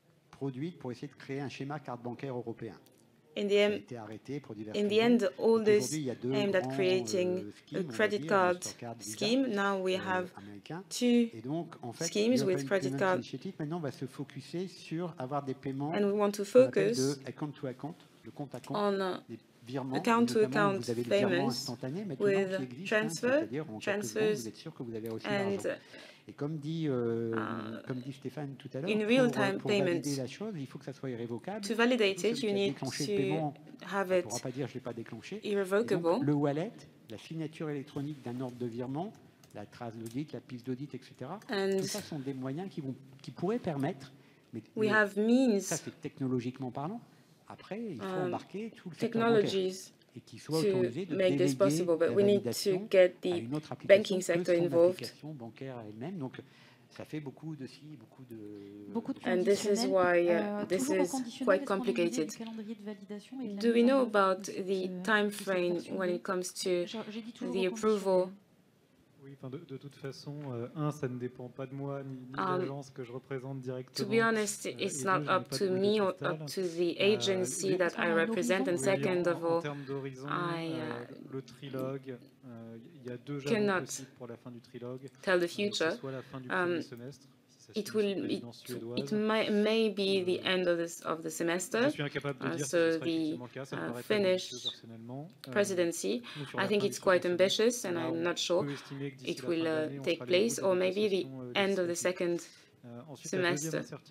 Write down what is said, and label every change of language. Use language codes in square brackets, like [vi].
[fr] Produite pour essayer de créer un schéma carte bancaire européen. [en] In the end, all this aimed at creating a credit card scheme. Now we have two schemes with credit cards. [fr] Initiative maintenant va se focuser sur avoir des paiements. [en] And we want to focus account to account, [fr] le compte à [en] compte. Account to account payments with transfers, and in real time payments. To validate it, you need to have it irrevocable. [fr] Le wallet, la signature électronique d'un ordre de virement, la trace d'audit, la piste d'audit, etc. [en] And [fr] tout ça sont des moyens qui pourraient permettre. [en] We have means. [fr] Ça c'est technologiquement parlant. Après, il faut embarquer tout le [en] technologies to make this possible, but we need to get the banking sector involved. [fr] Donc, ça fait beaucoup de si, beaucoup de [en] and this is why this is quite complicated. Do we know about the time frame when it comes to the approval? [fr] Oui, de toute façon, ça ne dépend pas de moi ni de l'agence que je représente directement. [en] To be honest, it's not up to me or up to the agency that I represent. And second of all, [fr] le trilogue, il y a deux jalons possibles pour la fin du trilogue. [en] Tell the future. [fr] Soit la fin du premier semestre. [en] It will. It may be the end of this of the semester. So the Finnish presidency. I think it's quite ambitious, and I'm not sure it will take place, or maybe the end of the second semester.